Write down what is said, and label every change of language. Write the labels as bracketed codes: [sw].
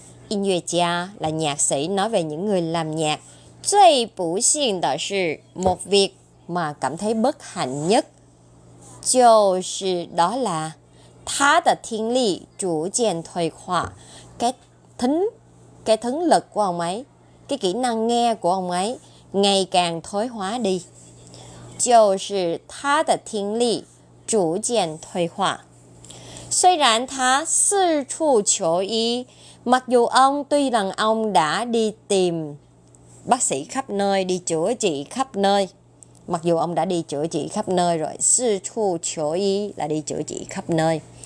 [vi] 音乐家 là nhạc sĩ, nói về những người làm nhạc. [zh] 最不幸的是, [vi] một việc mà cảm thấy bất hạnh nhất. 就是, đó là, [zh] 他的听力逐渐退化, [vi] cái thính lực của ông ấy,cái kỹ năng nghe của ông ấy ngày càng thoái hóa đi. [zh] 就是他的听力逐渐退化。虽然他四处求医, [vi] mặc dù ông tuy rằng ông đã đi tìm bác sĩ khắp nơi, đi chữa trị khắp nơi. Mặc dù ông đã đi chữa trị khắp nơi rồi, 四处求医 là đi chữa trị khắp nơi.